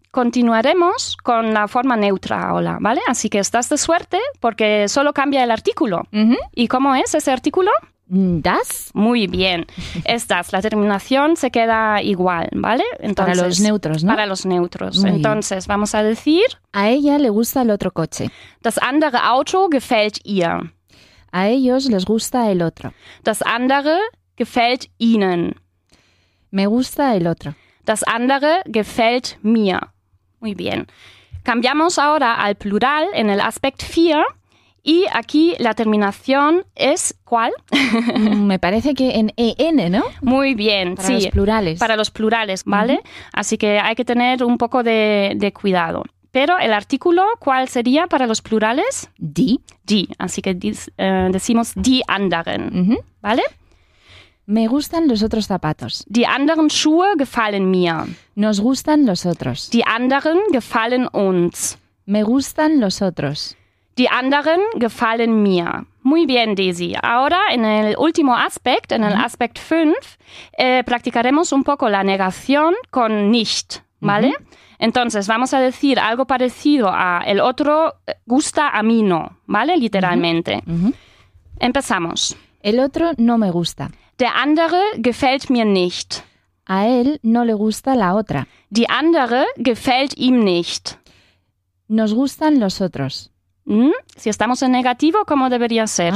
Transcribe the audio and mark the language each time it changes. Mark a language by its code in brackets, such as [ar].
[es] Continuaremos con la forma neutra ahora, ¿vale? Así que estás de suerte porque solo cambia el artículo. ¿Y cómo es ese artículo? [de] Das. [es] Muy bien. Estas, la terminación se queda igual, ¿vale? Entonces, para los neutros, ¿no? Para los neutros. Muy Entonces, bien. Vamos a decir. A ella le gusta el otro coche. [de] Das andere Auto gefällt ihr. [es] A ellos les gusta el otro. [de] Das andere gefällt ihnen. [es] Me gusta el otro. [de] Das andere gefällt mir. [es] Muy bien. Cambiamos ahora al plural en el aspect 4. Y aquí la terminación es ¿cuál? Me parece que en en, ¿no? Muy bien, para sí. Para los plurales. Para los plurales, ¿vale? Así que hay que tener un poco de cuidado. Pero el artículo, ¿cuál sería para los plurales? [de] Die. [es] Die, así que decimos [de] die anderen, [es] ¿vale? Me gustan los otros zapatos. [de] Die anderen Schuhe gefallen mir. [es] Nos gustan los otros. [de] Die anderen gefallen uns. [es] Me gustan los otros. [de] Die anderen gefallen mir. [es] Muy bien, Daisy. Ahora, en el último aspect, en el aspect 5, practicaremos un poco la negación con nicht, ¿vale? Entonces, vamos a decir algo parecido a el otro gusta a mí no, ¿vale? Literalmente. Empezamos. El otro no me gusta. [de] Der andere gefällt mir nicht. [es] A él no le gusta la otra. [de] Die andere gefällt ihm nicht. [es] Nos gustan los otros. Si estamos en negativo, ¿cómo debería ser?